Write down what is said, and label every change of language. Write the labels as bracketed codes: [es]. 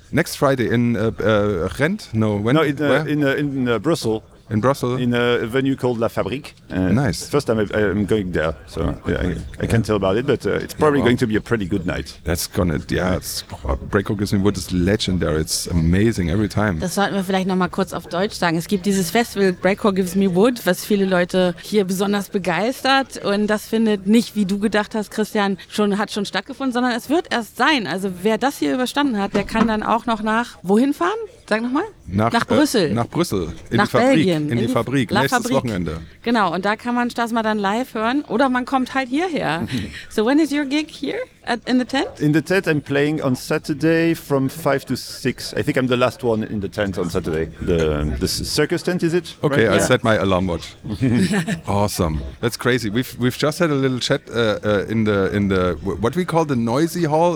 [en] Next Friday in Ghent? No, when? No, in Brussels. In Brussels? In a venue called La Fabrique. Nice. First time I'm going there, so I can't tell about it, but it's probably going to be a pretty good night. That's gonna, Breakout Gives Me Wood is legendary. It's amazing every time. [de] Das sollten wir vielleicht nochmal kurz auf Deutsch sagen. Es gibt dieses Festival, Breakout Gives Me Wood, was viele Leute hier besonders begeistert. Und das findet nicht, wie du gedacht hast, Christian, hat schon stattgefunden, sondern es wird erst sein. Also wer das hier überstanden hat, der kann dann auch noch nach wohin fahren? Sag nochmal. Nach Brüssel. Nach Brüssel. In die Fabrik. Nächstes Wochenende. Genau, und da kann man Stasma dann live hören. Oder man kommt halt hierher. [en] So when is your gig here? In the tent? In the tent, I'm playing on Saturday from 5 to 6. I think I'm the last one in the tent on Saturday. The circus tent, is it? Okay, right? I set my alarm watch. Awesome. That's crazy. We've just had a little chat in the what we call the noisy hall.